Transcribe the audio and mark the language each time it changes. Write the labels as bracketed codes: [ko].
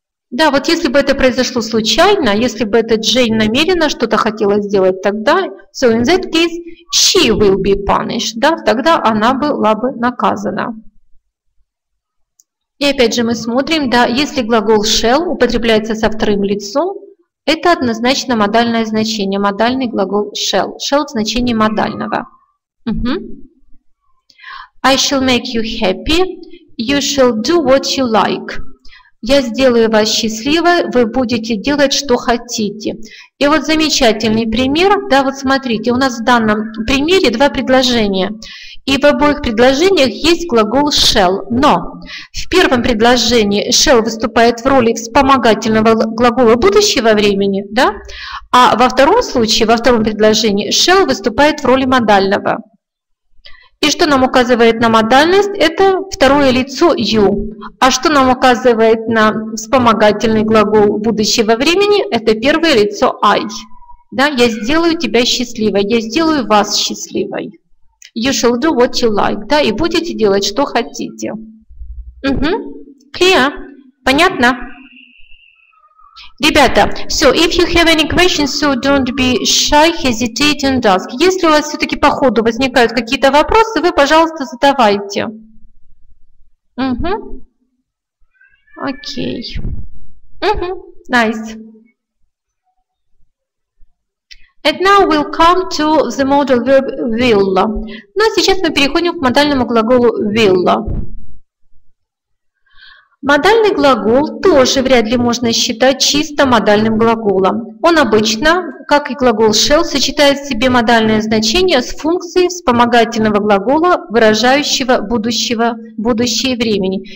[ru] Да, вот если бы это произошло случайно, если бы это Джейн намеренно что-то хотела сделать тогда, [en] so in that case, she will be punished, [ru] да, тогда она была бы наказана. И опять же мы смотрим, да, если глагол shall употребляется со вторым лицом, это однозначно модальное значение, модальный глагол shall, shall в значении модального. [en] I shall make you happy, you shall do what you like. [ru] Я сделаю вас счастливой, вы будете делать, что хотите. И вот замечательный пример, да, вот смотрите, у нас в данном примере два предложения. И в обоих предложениях есть глагол shall. Но в первом предложении shall выступает в роли вспомогательного глагола будущего времени, да? А во втором случае, во втором предложении shall выступает в роли модального. И что нам указывает на модальность? Это второе лицо you. А что нам указывает на вспомогательный глагол будущего времени? Это первое лицо I. Да? Я сделаю тебя счастливой, я сделаю вас счастливой. [en] You shall do what you like. [ru] Да? И будете делать, что хотите. [en] Clear? [ru] Понятно? Ребята, [en] so if you have any questions, so don't be shy, hesitate and ask. [ru] Если у вас все-таки по ходу возникают какие-то вопросы, вы, пожалуйста, задавайте. [en] Окей. Nice. And now we'll come to the modal verb will. [ru] Ну, а сейчас мы переходим к модальному глаголу will. Модальный глагол тоже вряд ли можно считать чисто модальным глаголом. Он обычно, как и глагол shall, сочетает в себе модальное значение с функцией вспомогательного глагола, выражающего будущее времени.